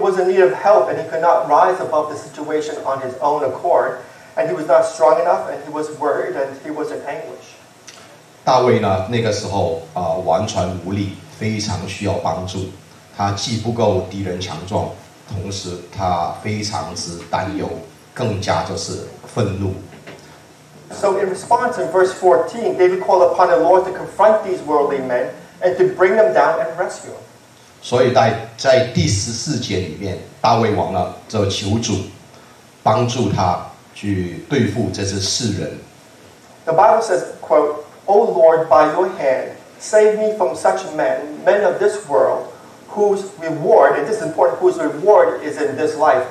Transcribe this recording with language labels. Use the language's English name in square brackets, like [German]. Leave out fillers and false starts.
[English] was in need of help, and he could not rise above the situation on his own accord, and he was not strong enough, and he was worried, and he was in anguish. [Chinese] 大卫呢，那个时候完全无力，非常需要帮助。他既不够敌人强壮，同时他非常之担忧，更加就是愤怒。 [English] So in response in verse 14, David called upon the Lord to confront these worldly men and to bring them down and rescue them. [Chinese] 所以在第14节里面，大卫王呢就求主帮助他去对付这些世人。 [English] The Bible says, quote, O Lord, by your hand, save me from such men, men of this world, whose reward, and this is important, whose reward is in this life.